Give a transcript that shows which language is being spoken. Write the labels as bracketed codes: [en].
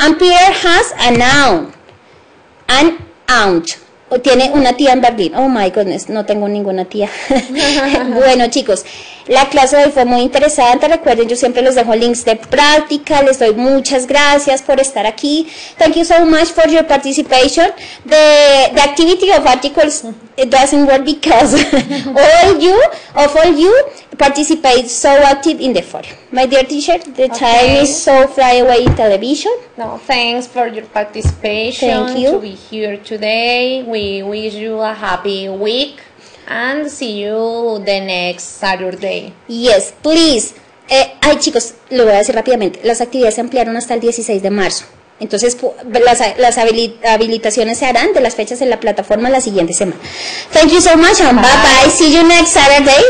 [en] And Pierre has a noun. An aunt. [es] O tiene una tía en Berlín. [en] Oh my goodness, [es] no tengo ninguna tía. Bueno, chicos, la clase de hoy fue muy interesante. Recuerden, yo siempre les dejo links de práctica. Les doy muchas gracias por estar aquí. [en] Thank you so much for your participation. The activity of articles doesn't work because all you participate so active in the forum. My dear teacher, the time is so fly away in television. No, thanks for your participation. Thank you. To be here today. We wish you a happy week. And see you the next Saturday. Yes, please. [es] Chicos, lo voy a decir rápidamente. Las actividades se ampliaron hasta el 16 de marzo. Entonces, las habilitaciones se harán de las fechas en la plataforma la siguiente semana. [en] Thank you so much and bye bye. See you next Saturday.